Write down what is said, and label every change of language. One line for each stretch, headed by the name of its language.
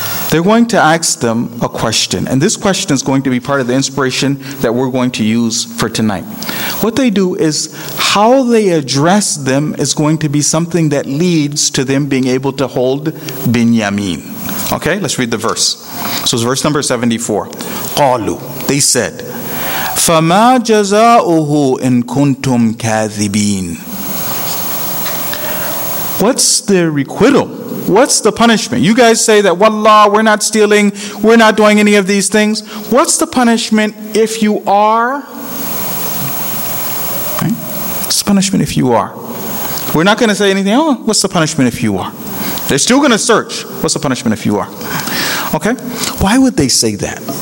English: They're going to ask them a question. And this question is going to be part of the inspiration that we're going to use for tonight. What they do is how they address them is going to be something that leads to them being able to hold Binyamin. Okay, let's read the verse. So it's verse number 74.
Arabic: قالوا,
English: they said,
Arabic: فَمَا جَزَاؤُهُ إِن كُنْتُمْ كَاذِبِينَ.
English: What's the requital? What's the punishment? You guys say that, wallah, we're not stealing, we're not doing any of these things. What's the punishment if you are? Right? What's the punishment if you are? We're not going to say anything. Oh, what's the punishment if you are? They're still going to search. What's the punishment if you are? Okay? Why would they say that?